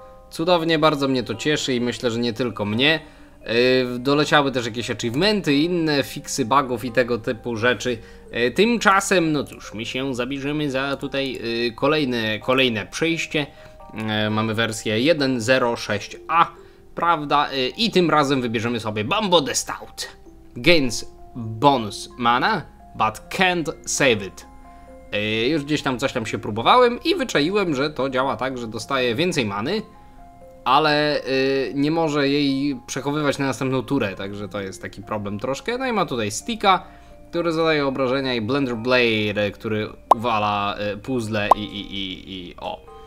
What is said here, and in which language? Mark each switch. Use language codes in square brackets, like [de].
[pl] Cudownie, bardzo mnie to cieszy i myślę, że nie tylko mnie. Doleciały też jakieś achievementy, inne fiksy bugów i tego typu rzeczy. Tymczasem, no cóż, my się zabierzemy za tutaj kolejne przejście. Mamy wersję 1.06a, prawda? I tym razem wybierzemy sobie Bambo the Stout. [en] Gains bonus mana, but can't save it. [pl] Już gdzieś tam coś tam się próbowałem i wyczaiłem, że to działa tak, że dostaję więcej many, ale nie może jej przechowywać na następną turę, także to jest taki problem troszkę. No i ma tutaj Sticka, który zadaje obrażenia, i Blender Blade, który uwala puzzle i o.